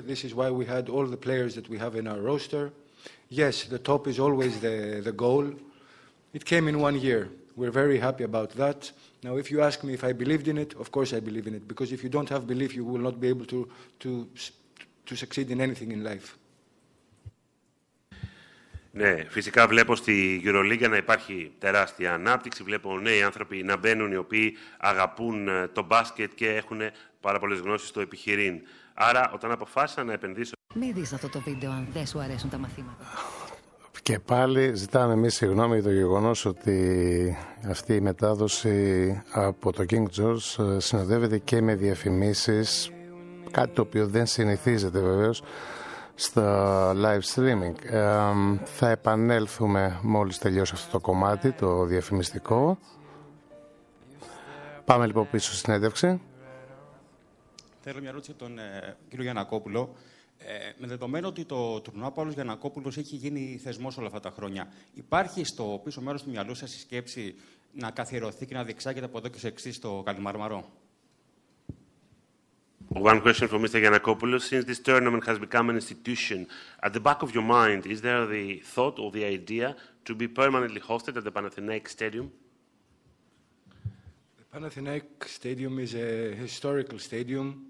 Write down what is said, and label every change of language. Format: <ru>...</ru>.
<en>This is why we had all the players that we have in our roster. Yes, the top is always the goal. It came in 1 year. We're very happy about that. Now, if you ask me if I believed in it, of course I believe in it. Because if you don't have belief, you will not be able to succeed in anything in life.</en> <el>Ναι, φυσικά βλέπω στη EuroLeague να υπάρχει τεράστια ανάπτυξη. Βλέπω νέοι άνθρωποι να μπαίνουν οι οποίοι αγαπούν το μπάσκετ και έχουν πάρα πολλές γνώσεις στο επιχειρήν. Άρα, όταν αποφάσισα να επενδύσω. Μην δεις αυτό το βίντεο αν δεν σου αρέσουν τα μαθήματα. Και πάλι ζητάμε εμείς συγγνώμη για το γεγονός ότι αυτή η μετάδοση από το King George συνοδεύεται και με διαφημίσεις, κάτι το οποίο δεν συνηθίζεται βεβαίως στα live streaming. Θα επανέλθουμε μόλις τελειώσει αυτό το κομμάτι, το διαφημιστικό. Πάμε λοιπόν πίσω στη συνέντευξη. Θέλω μια ερώτηση από τον κύριο Γιαννακόπουλο. Με δεδομένο ότι το τουρνουά Παύλος Γιαννακόπουλος έχει γίνει θεσμός όλα αυτά τα χρόνια, υπάρχει στο πίσω μέρος του μυαλού σας η σκέψη να καθιερωθεί και να διεξάγεται από εδώ και σε εξής στο Καλλιμαρμαρό?</el> <en>One question for Mr. Giannakopoulos. Since this tournament has become an institution, at the back of your mind, is there the thought or the idea to be permanently hosted at the Panathinaik Stadium? The Panathinaik Stadium is a historical stadium.</en>